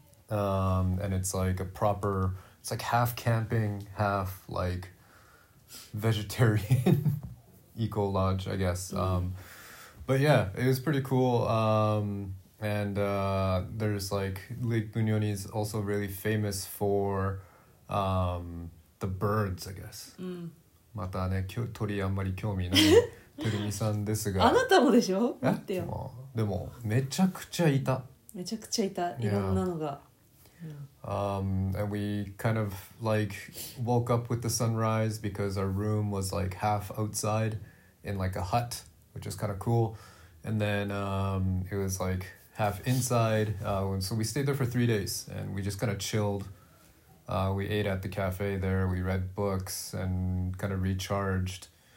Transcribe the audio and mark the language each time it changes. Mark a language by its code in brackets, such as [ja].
[en] And it's like a proper, it's like half camping, half like vegetarian eco lodge, I guess. Mm. But yeah, it was pretty cool. There's like Lake Bunyoni is also really famous for the birds, I guess. Mm. [ja] またね、鳥あんまり興味ないテルミさんですが、あなたもでしょ？見てよ。でもめちゃくちゃいた。めちゃくちゃいた。いろんなのが。 [en] And we kind of like woke up with the sunrise because our room was like half outside in like a hut, which is kind of cool. And then it was like half inside. So we stayed there for 3 days and we just kind of chilled. We ate at the cafe there, we read books and kind of recharged.